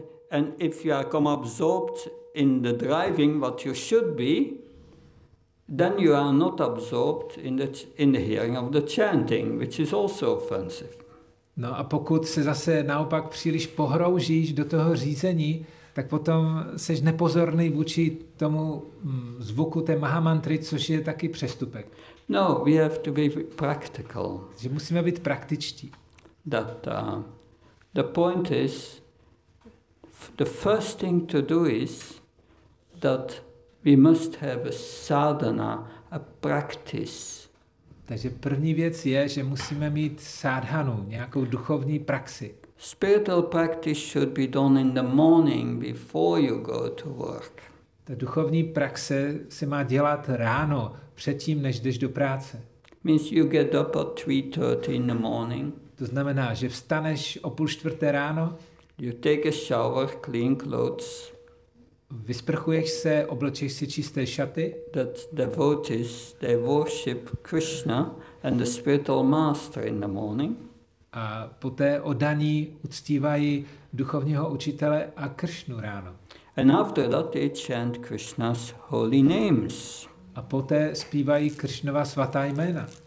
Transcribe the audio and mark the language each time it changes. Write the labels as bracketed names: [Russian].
[English] And if you are absorbed in the driving, what you should be, then you are not absorbed in the hearing of the chanting, which is also offensive. [Czech] No a pokud se zase naopak příliš pohroužíš do toho řízení, tak potom seš nepozorný vůči tomu zvuku té mahamantry, což je taky přestupek. [English] No, we have to be practical. [Czech] Že musíme být praktičtí. [English] That the point is, the first thing to do is that we must have a sadhana, a practice. [Czech] Takže první věc je, že musíme mít sadhanu, nějakou duchovní praxi. [English] Spiritual practice should be done in the morning before you go to work. [Czech] Ta duchovní praxe se má dělat ráno, předtím než jdeš do práce. [English] Means you get up at 3:30 in the morning. [Czech] To znamená, že vstaneš o 3:30 ráno. [English] You take a shower, clean clothes. [Czech] Vysprchuješ se, oblečeš si čisté šaty. [English] That devotees, they worship Krishna and the spiritual master in the morning. [Czech] A poté oddaní uctívají duchovního učitele a Kršnu ráno. [English] And after that they chant Krishna's holy names. [Czech] A poté zpívají Kršnova svatá jména.